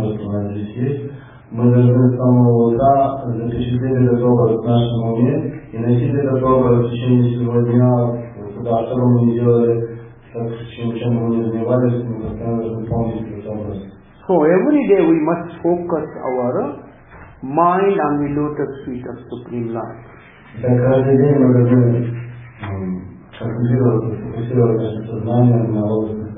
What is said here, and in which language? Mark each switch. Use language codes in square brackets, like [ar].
[ru] Мы должны с самого утра запечатлеть этот образ в нашем уме и носить этот образ в течение всего дня, куда что бы мы ни делали, так чем бы мы ни занимались, мы постоянно должны помнить этот образ. [en] So every day we must focus our mind on the lotus feet of Supreme Lord. [ru] Так каждый день мы должны фокусировать наше сознание на лотосе.